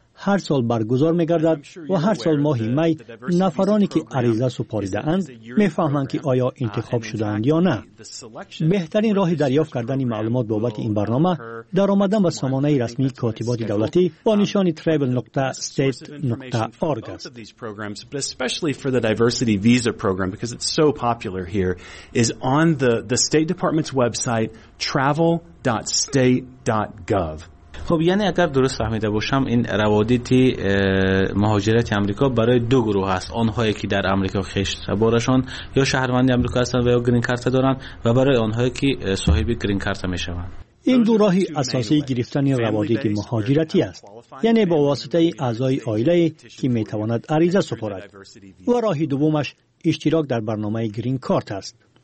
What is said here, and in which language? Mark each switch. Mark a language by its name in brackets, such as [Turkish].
[Persian] هر سال برگزار می‌گردد و هر سال ماه می نفرانی که عریضه سپاریده اند می‌فهمند که آیا انتخاب شده‌اند یا نه. بهترین راه دریافت کردن معلومات بابت این برنامه در آمدن به سامانه رسمی کاتبات دولتی با نشان travel.state.org است. [English] But especially for the diversity visa program because it's so popular here is on the State Department's website travel.state.gov. [Persian] خب یعنی اگر درست فهمیده باشم این روادید مهاجرت آمریکا برای دو گروه است، آنهایی که در آمریکا خشت بارشان یا شهروند آمریکا هستند و یا گرین کارت دارند و برای آنهایی که صاحب گرین کارت می شوند. این دو راهی اساسی گرفتن روادید مهاجرتی است، یعنی با واسطه اعضای آیله که می تواند عریضه سپارد، و راه دومش اشتراک در برنامه گرین کارت است.